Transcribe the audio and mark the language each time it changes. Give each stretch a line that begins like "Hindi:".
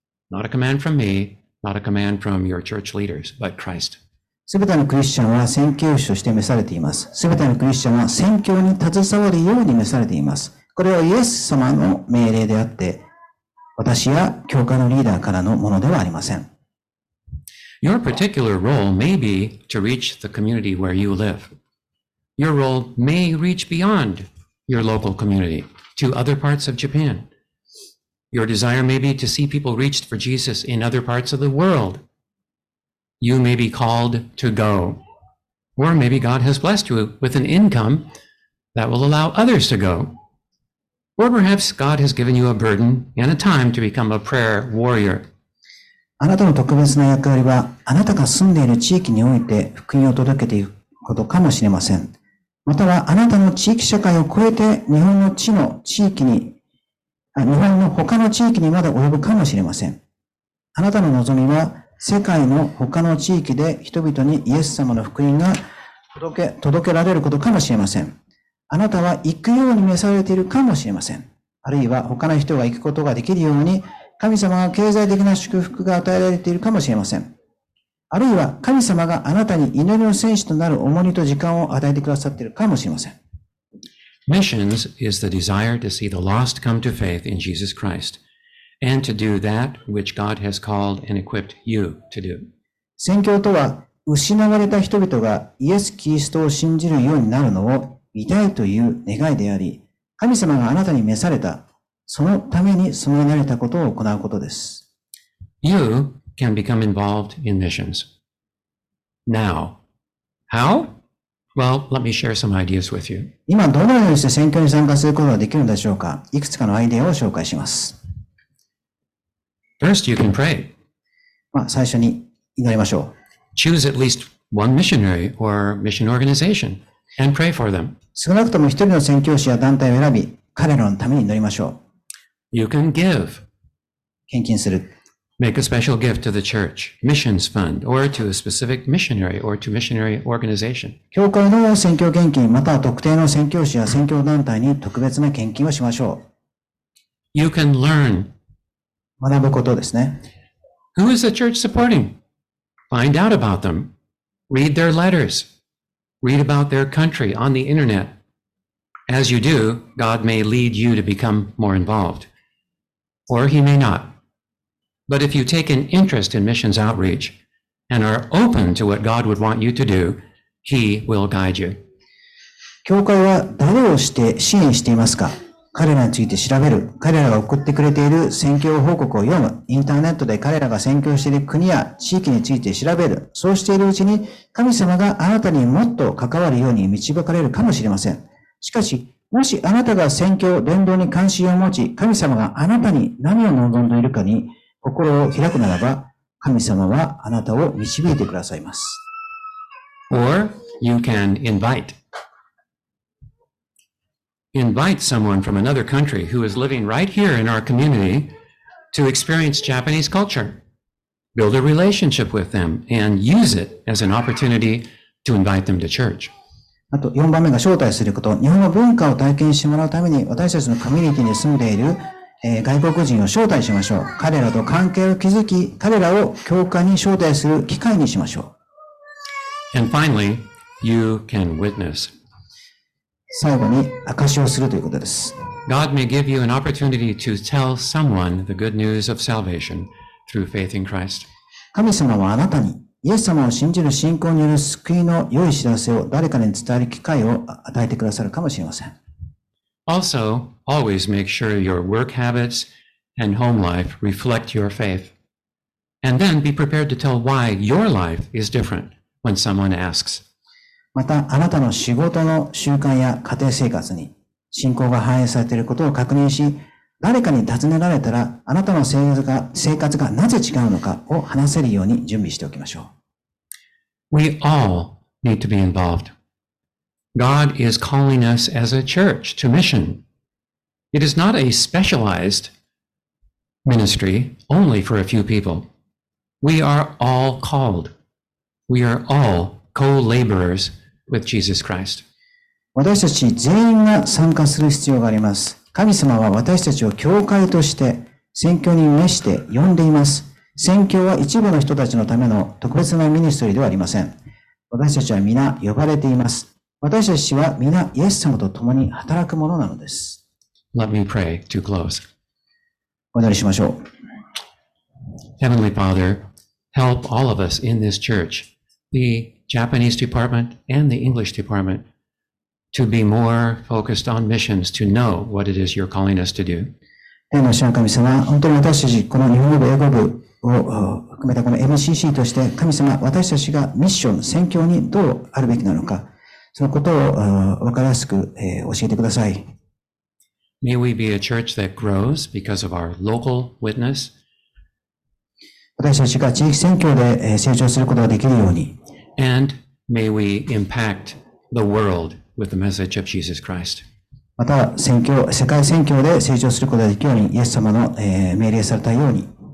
English: Not a command from me, not a command from your church leaders, but Christ.
Japanese: すべてのクリスチャンは宣教師として召されています。すべてのクリスチャンは宣教に携わるように召されています。これはイエス様の命令であって、私や教会のリーダーからのものではありません。
English: Your particular role may be to reach the community where you live. Your role may reach beyond your local community to other parts of Japan. Your desire may be to see people reached for Jesus in other parts of the world. You may be called to go. Or maybe God has blessed you with an income that will allow others to go. Or perhaps God has given you a burden and a time to become a prayer warrior.
Japanese: あなたの特別な役割は、あなたが住んでいる地域において福音を届けていくことかもしれません。または、あなたの地域社会を超えて、日本の他の地域にまだ及ぶかもしれません。あなたの望みは、世界の他の地域で人々にイエス様の福音が届けられることかもしれません。あなたは行くように召されているかもしれません。あるいは、他の人が行くことができるように、神様が経済的な祝福が与えられているかもしれません。あるいは神様があなたに祈りの戦士となる重荷と時間を与えてくださっているかもしれません。
English: Missions is the desire to see the lost come to faith in Jesus Christ and to do that which God has called and equipped you to do.
Japanese: 宣教とは失われた人々がイエス・キリストを信じるようになるのを見たいという願いであり、神様があなたに召されたそのために備えられたことを行うことです。
English: You can become involved in missions. Now, how? Well, let me share some ideas with you.
Japanese: 今どのようにして選挙に参加することができるんでしょうか。いくつかのアイデアを紹介します。
English: First, you can pray.
Japanese: 最初に祈りましょう。
English: Choose at least one missionary or mission organization and pray for them.
Japanese: 少なくとも一人の選挙師や団体を選び、彼らのために祈りましょう。
English: You can give.
Japanese: 献金する。
English: Make a special gift to the church, missions fund, or to a specific missionary or to missionary organization.
Japanese: 教会の宣教献金、または特定の宣教師や宣教団体に特別な献金をしましょう。
English: You can learn.
Japanese: 学ぶことですね。
English: Who is the church supporting? Find out about them. Read their letters. Read about their country on the internet. As you do, God may lead you to become more involved. Or he may not. But if you take an interest in missions outreach and are open to what God would want you to do, he will guide you.
Japanese: 教会は誰をして支援していますか?彼らについて調べる。彼らが送ってくれている宣教報告を読む。インターネットで彼らが宣教している国や地域について調べる。そうしているうちに神様があなたにもっと関わるように導かれるかもしれません。しかし、もしあなたが宣教、伝道に関心を持ち、神様があなたに何を望んでいるかに心を開くならば、神様はあなたを導いてくださいます。
English: Or, you can invite. Invite someone from another country who is living right here in our community to experience Japanese culture. Build a relationship with them and use it as an opportunity to invite them to church.
Japanese: あと4番目が招待すること。日本の文化を体験してもらうために私たちのコミュニティに住んでいる、外国人を招待しましょう。彼らと関係を築き、彼らを教会に招待する機会にしましょう。
English: And finally, you can witness.
Japanese: 最後に証しをするということです。
English: God may give you an opportunity to tell someone the good news of salvation through faith in Christ.
Japanese: 神様はあなたに、イエス様を信じる信仰による救いの良い知らせを誰かに伝える機会を与えてくださるかもしれません。
English: Also, always make sure your work habits and home life reflect your faith. And then be prepared to tell why your life is different when someone asks.
Japanese: また、あなたの仕事の習慣や家庭生活に信仰が反映されていることを確認し、誰かに尋ねられたら、あなたの生活がなぜ違うのかを話せるように準備しておきましょう。
English: We all need to be involved. God is calling us as a church to mission. It is not a specialized ministry only for a few people. We are all called. We are all co-laborers with Jesus Christ.
Japanese: 私たち全員が参加する必要があります。神様は私たちを教会として宣教に召して呼んでいます。宣教は一部の人たちのための特別なミニストリーではありません。私たちは皆呼ばれています。私たちは皆イエス様と共に働くものなのです。
English: Let me pray to close.
Japanese: お祈りしましょう。
English: Heavenly Father, help all of us in this church, the Japanese department and the English department,to be more focused on missions, to know what it is you're calling us to do.
Japanese: 天の神様、本当に私たちこの日本語部、英語部を含めたこの MCC として、神様、私たちがミッション、宣教にどうあるべきなのか、そのことを分かりやすく教えてください。
English: May we be a church that grows because of our local witness.
Japanese: 私たちが地域宣教で成長することができるように。
English: And may we impact the world. With the message of Jesus Christ.
Japanese: また宣教、世界宣教で成長することができるように、イエス様の、命令されたように。